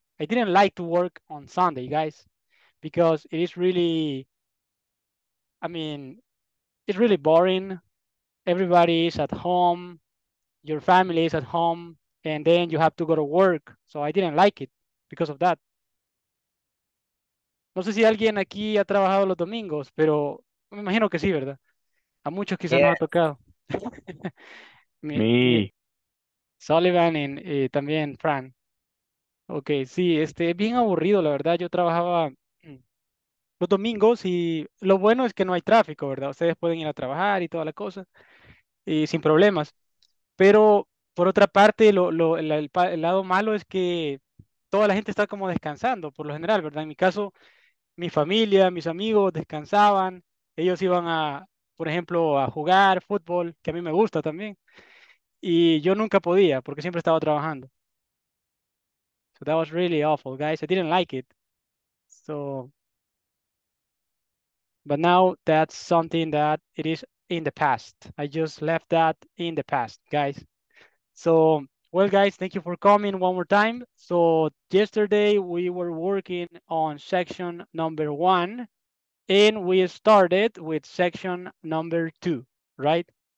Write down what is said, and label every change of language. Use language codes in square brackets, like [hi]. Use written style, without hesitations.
[en] I didn't like to work on Sunday, guys, because it is really, I mean, it's really boring. Everybody is at home, your family is at home, and then you have to go to work. So I didn't like it because of that. [es] No sé si alguien aquí ha trabajado los domingos, pero me imagino que sí, ¿verdad? A muchos quizás nos ha tocado. [en] Me. [es] Sullivan y también Fran. Ok, sí, es bien aburrido, la verdad. Yo trabajaba los domingos y lo bueno es que no hay tráfico, ¿verdad? Ustedes pueden ir a trabajar y toda la cosa y sin problemas. Pero por otra parte, el lado malo es que toda la gente está como descansando, por lo general, ¿verdad? En mi caso, mi familia, mis amigos descansaban, ellos iban a, por ejemplo, a jugar fútbol, que a mí me gusta también, y yo nunca podía porque siempre estaba trabajando. [en] So that was really awful, guys. I didn't like it. So, but now that's something that it is in the past. I just left that in the past, guys. So, well, guys, thank you for coming one more time. So, yesterday we were working on section number one and we started with section number two, right?